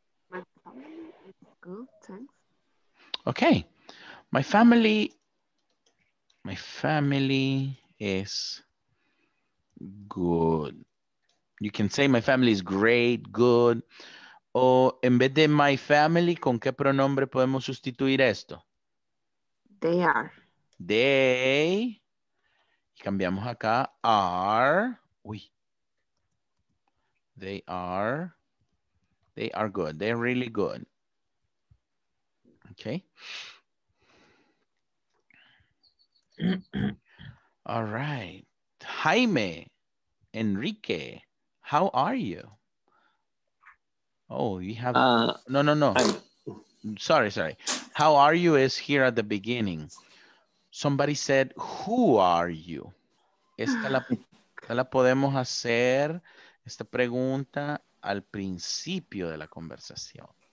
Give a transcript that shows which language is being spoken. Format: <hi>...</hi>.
<en>My family is good, thanks. Okay. My family is good. You can say my family is great, good.</en> <es>O en vez de</es> <en>my family,</en> <es>¿con qué pronombre podemos sustituir esto?</es> <en>They are. They.</en> <es>Y cambiamos acá.</es> <en>Are. Uy. They are. They are good. They're really good. Okay. All right. Jaime. Enrique. How are you? Oh, you have... No. Sorry. How are you is here at the beginning. Somebody said, who are you?</en> <es>Esta la podemos hacer esta pregunta al principio de la conversación.</es>